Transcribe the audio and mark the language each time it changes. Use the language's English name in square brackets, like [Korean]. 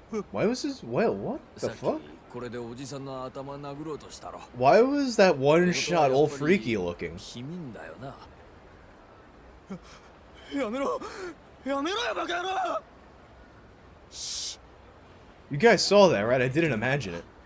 [English] Why was that one shot all freaky looking? [Japanese] やめろ。やめろよ、バカ野郎。 [English] You guys saw that, right? I didn't imagine it.